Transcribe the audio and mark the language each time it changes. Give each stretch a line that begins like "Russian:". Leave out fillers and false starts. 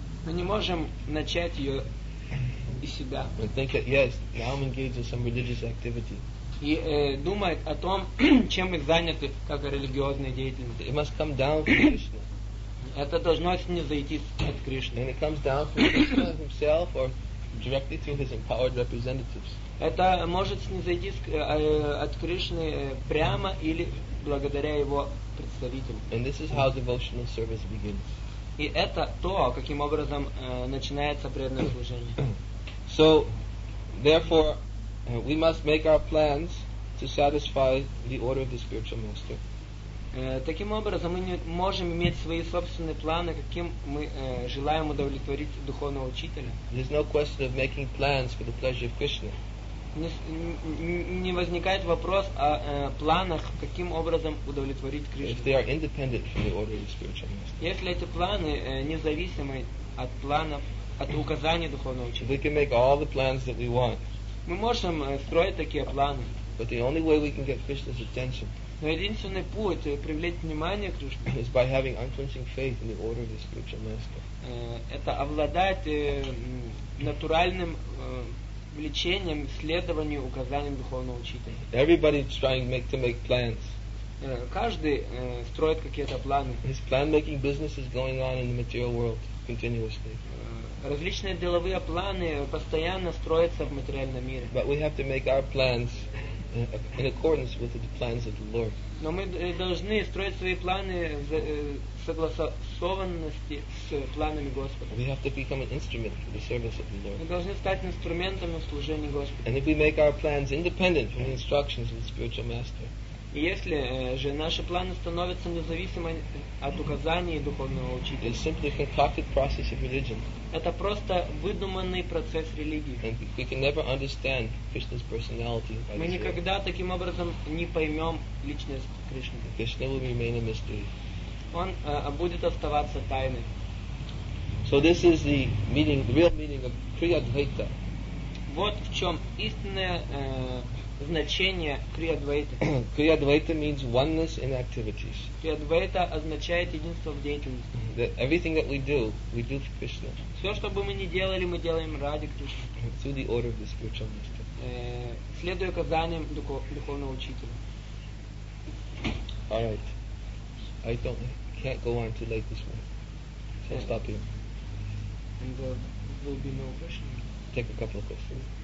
Russian: Мы не можем начать ее из себя.
English: And think that yes, now I'm engaged in some religious activity.
Russian: И думать о том, чем мы заняты как религиозная деятельность.
English: It must come down from Krishna.
Russian: Это должно снизойти от Кришны.
English: And it comes down from Krishna himself or directly through his empowered representatives.
Russian: Это может снизойти от Кришны прямо или благодаря его представителям.
English: And this is how devotional service begins.
Russian: И это то, каким образом начинается преданное служение.
English: So, therefore, we must make our plans to satisfy the order of the spiritual master.
Russian: Таким образом, мы не можем иметь свои собственные планы, каким мы желаем удовлетворить духовного учителя.
English: There's no question of making plans for the pleasure of Krishna.
Russian: Не возникает вопрос о планах, каким образом удовлетворить Кришну.
English: If they are independent from the order of the spiritual master.
Russian: Если эти планы независимы от планов, от указаний духовного учителя.
English: We can make all the plans that we want.
Russian: Мы можем строить такие планы.
English: But the only way we can get Krishna's attention.
Russian: Но единственный путь привлечь внимание Кришны.
English: Is by having unquenching faith in the order of the spiritual master.
Russian: Это обладать натуральным влечением, следованием указаниям духовного учителя.
English: Everybody is trying to make plans.
Russian: Каждый строит какие-то планы.
English: His plan-making business is going on in the material world continuously.
Russian: Различные деловые планы постоянно строятся в материальном мире.
English: But we have to make our plans in accordance with the plans of the Lord.
Russian: Но мы должны строить свои планы в согласованности с планами Господа.
English: We have to become an instrument for the service of the Lord.
Russian: Мы должны стать инструментом в служении Господу.
English: And if we make our plans independent from the instructions of the spiritual master.
Russian: Если же наши планы становятся независимы от указаний духовного учителя.
English: It's simply a concocted process of religion.
Russian: Это просто выдуманный процесс религии.
English: And we can never understand Krishna's personality.
Russian: Мы никогда таким образом не поймем личность Кришны.
English: Krishna will remain a mystery.
Russian: Он будет оставаться тайной.
English: So this is the meaning, the real meaning of Kriya Dvaita.
Russian: Вот в чем истинное значение Kriya Dvaita.
English: Kriya Dvaita means oneness in activities.
Russian: Kriya Dvaita означает единство в деятельности.
English: That everything that we do for Krishna.
Russian: Все, что бы мы ни делали, мы делаем ради Кришны.
English: Through the order of the spiritual master.
Russian: Следуя указаниям духовного учителя.
English: All right. I don't can't go on too late this morning. So I'll stop here. And there will be no questions. Take a couple of questions.